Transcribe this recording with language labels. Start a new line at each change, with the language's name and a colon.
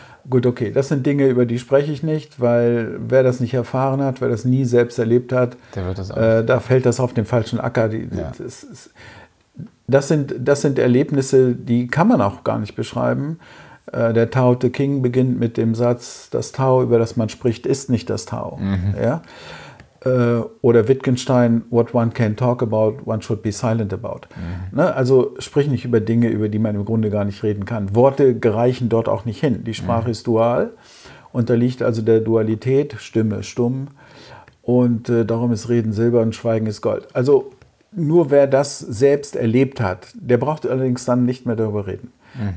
German: Gut, okay, das sind Dinge, über die spreche ich nicht, weil wer das nicht erfahren hat, wer das nie selbst erlebt hat, der wird das auch da fällt das auf den falschen Acker. Das sind Erlebnisse, die kann man auch gar nicht beschreiben. Der Tao Te King beginnt mit dem Satz, das Tao, über das man spricht, ist nicht das Tao. Mhm. Ja?
English: Oder Wittgenstein, what one can talk about, one should be silent about.
German: Mhm. Ne? Also sprich nicht über Dinge, über die man im Grunde gar nicht reden kann. Worte reichen dort auch nicht hin. Die Sprache ist dual, unterliegt also der Dualität, Stimme, Stumm. Und darum ist Reden Silber und Schweigen ist Gold. Also nur wer das selbst erlebt hat, der braucht allerdings dann nicht mehr darüber reden. Mhm.